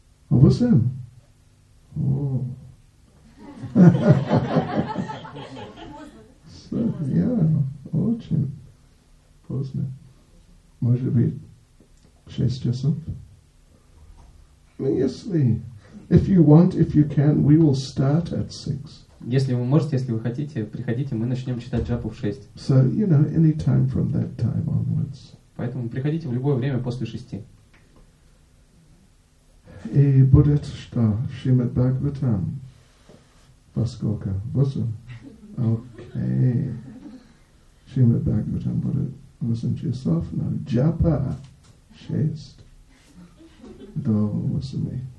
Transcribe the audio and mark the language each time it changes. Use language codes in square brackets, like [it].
[ru] 8? О. Я очень поздно. Может быть, 6 часов? Если, [en] if you want, if you can, we will start at 6. [ru] Если вы можете, если вы хотите, приходите, мы начнем читать джапу в 6. [en] So, you know, any time from that time onwards. [ru] Поэтому приходите в любое время после 6. И будет что? Шримад Бхагаватам. Во сколько? 8. Окей. Шримад Бхагаватам будет 8 часов, но джапа 6 до 8.